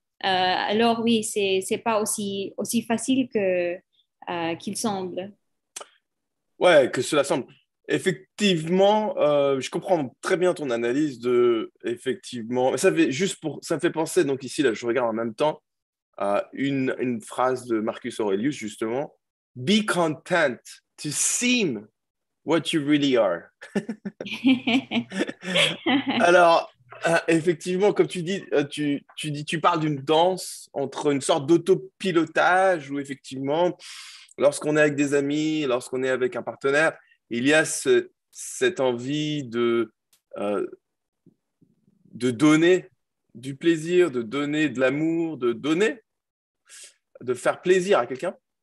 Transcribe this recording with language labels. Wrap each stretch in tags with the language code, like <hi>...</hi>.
<fr>Alors oui, c'est pas aussi facile qu'il semble. Ouais, que cela semble. Effectivement, je comprends très bien ton analyse de effectivement. Ça me fait penser, donc ici là, je regarde en même temps à une phrase de Marcus Aurelius justement.</fr> <en>Be content to seem what you really are.</en> <fr>Alors. Effectivement, comme tu dis, tu parles d'une danse entre une sorte d'autopilotage où effectivement, lorsqu'on est avec des amis, lorsqu'on est avec un partenaire, il y a cette envie de donner du plaisir, de donner de l'amour, de faire plaisir à quelqu'un.</fr>